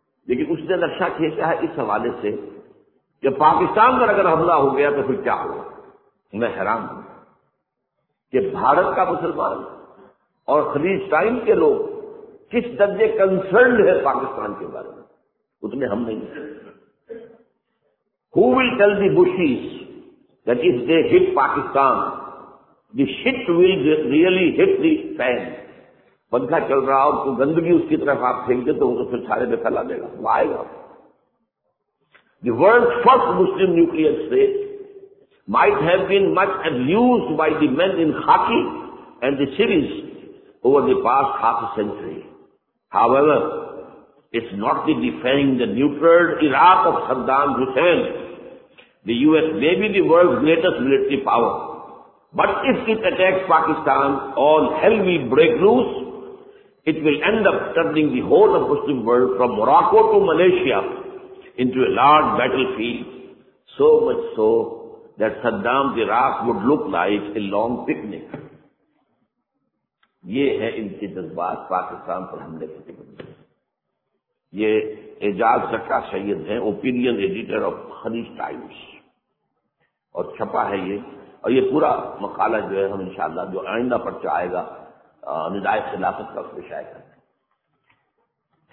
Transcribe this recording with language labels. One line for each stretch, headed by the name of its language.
Urdu: لیکن اس نے نقشہ کھینچا ہے اس حوالے سے کہ پاکستان پر اگر حملہ ہو گیا تو پھر کیا ہوا. میں حیران ہوں کہ بھارت کا مسلمان اور خلیج ٹائم کے لوگ کس درجے کنسرنڈ ہے پاکستان کے بارے میں, اتنے ہم نہیں.
English: Who will tell the Bushies that if they hit Pakistan, the shit will really hit the fan.
Urdu: پنکھا چل رہا اور تو گندگی اس کی طرف آپ پھینکتے تو اسے پھر سارے میں پھیلا دے گا, وہ آئے گا.
English: The world's first Muslim nuclear state might have been much abused by the men in khaki and the series over the past half a century. However, it's not the defending the neutral Iraq of Saddam Hussein. The US may be the world's greatest military power, but if it attacks Pakistan, all hell will break loose. It will end up turning the whole of Muslim world from Morocco to Malaysia into a large battlefield, so much so that Saddam's Iraq would look like a long picnic.
Urdu: یہ ہے ان کے جذبات پاکستان پر حملے کے لیے. یہ اعجاز زکا سید ہیں,
English: opinion editor of
Urdu: خلیج ٹائمز, اور چھپا ہے یہ, اور یہ پورا مقالہ جو ہے ہم انشاءاللہ جو آئندہ پرچہ آئے گا ندائے خلافت کا اس پہ شائع کرتے ہیں.